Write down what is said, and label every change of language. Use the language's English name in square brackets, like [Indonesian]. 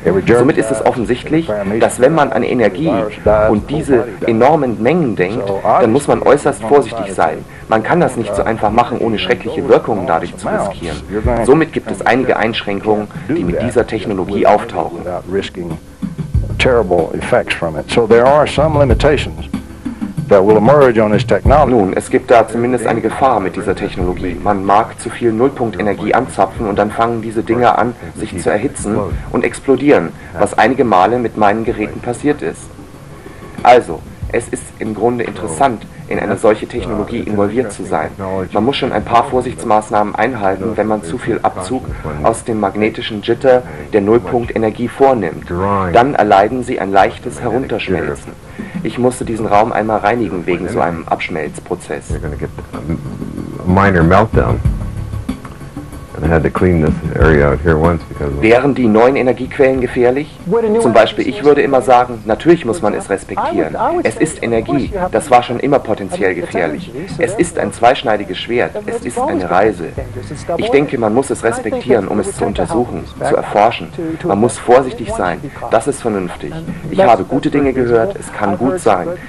[German] Somit ist es offensichtlich, dass wenn man an Energie und diese enormen Mengen denkt, dann muss man äußerst vorsichtig sein. Man kann das nicht so einfach machen, ohne schreckliche Wirkungen dadurch zu riskieren. Somit gibt es einige Einschränkungen, die mit dieser Technologie auftauchen. [English] Terrible effects from it. So there are some limitations that will emerge on this technology. [German] Nun, es gibt da zumindest eine Gefahr mit dieser Technologie. Man mag zu viel Nullpunktenergie anzapfen und dann fangen diese Dinger an, sich zu erhitzen und explodieren, was einige Male mit meinen Geräten passiert ist. Also, es ist im Grunde interessant, in eine solche Technologie involviert zu sein. Man muss schon ein paar Vorsichtsmaßnahmen einhalten, wenn man zu viel Abzug aus dem magnetischen Jitter der Nullpunktenergie vornimmt. Dann erleiden sie ein leichtes Herunterschmelzen. Ich musste diesen Raum einmal reinigen wegen so einem Abschmelzprozess. [English] Minor meltdown. and I had to clean this area out here once because [German] wären die neuen Energiequellen gefährlich? Zum Beispiel, ich würde immer sagen, natürlich muss man es respektieren. Es ist Energie. Das war schon immer potenziell gefährlich. Es ist ein zweischneidiges Schwert. Es ist eine Reise. Ich denke, man muss es respektieren, um es zu untersuchen, zu erforschen. Man muss vorsichtig sein. Das ist vernünftig. Ich habe gute Dinge gehört. Es kann gut sein.